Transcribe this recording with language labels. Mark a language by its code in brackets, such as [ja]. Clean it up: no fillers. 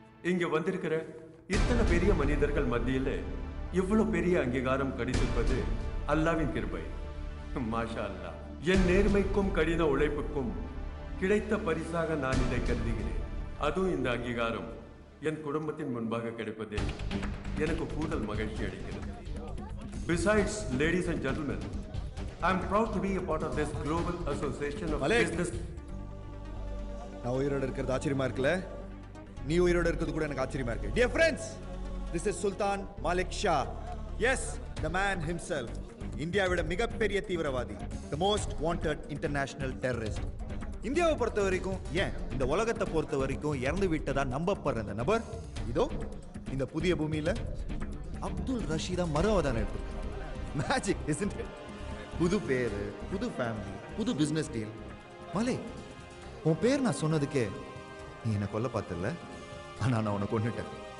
[ta] இங்க வந்திருக்கிற இத்தனை பெரிய மனிதர்கள் மத்தியில் இவ்வளவு பெரிய அங்கீகாரம் கிடைத்திருப்பது அல்லாவின் கிருபை. மாஷா அல்லா, என் நேர்மைக்கும் கடின உழைப்புக்கும் கிடைத்த பரிசாக நான் இதை கருதுகிறேன். அதுவும் இந்த அங்கீகாரம் என் குடும்பத்தின் முன்பாக கிடைப்பதே எனக்கு கூடுதல் மகிழ்ச்சி அளிக்கிறது. [en] Besides, ladies and gentlemen, I am proud to be a part of this global association of business. [ta] நான் உயிரோடு இருக்கிறது ஆச்சரியமா இருக்குல்ல? நீ உயிரோடு இருக்கிறது கூட எனக்கு ஆச்சரியமா இருக்கு. [en] Dear friends, this is Sultan Malik Shah. Yes, the man himself. [ta] இந்தியாவோட மிகப்பெரிய தீவிரவாதி, [en] the most wanted international terrorist. [ta] இந்தியாவை பொறுத்த வரைக்கும், ஏன் இந்த உலகத்தை பொறுத்த வரைக்கும் இறந்து விட்டதா நம்பப்படுற இந்த நபர் இதோ இந்த புதிய பூமியில அப்துல் ரஷீதா மறு அவதாரம் எடுத்திருக்காங்க. புது பேரு, புது ஃபேமிலி, புது பிசினஸ் டீல். மலை, உன் பேர் நான் சொன்னதுக்கே நீ என்னை கொல்ல பார்த்தல, ஆனால் நான் உன்னை கொண்டுட்டேன்.